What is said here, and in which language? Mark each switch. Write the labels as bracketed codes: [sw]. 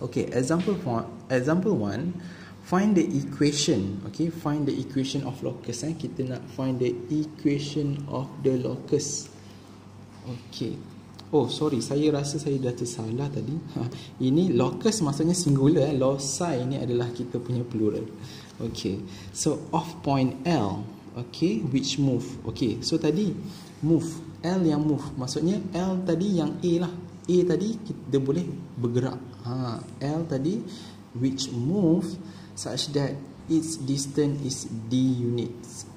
[en] Okay, example 1, find the equation. Okay, find the equation of locus. [ms] Kita nak [en] find the equation of the locus. [ms] Okay, oh sorry, saya rasa saya dah tersalah tadi. Ini locus maksudnya singular, loci ini adalah kita punya plural. [en] Okay, so of point L, okay, which move. [ms] Okay, so tadi move, L yang move, maksudnya L tadi yang A lah. A tadi dia boleh bergerak. [en] Ha, L tadi which move such that its distance is D units.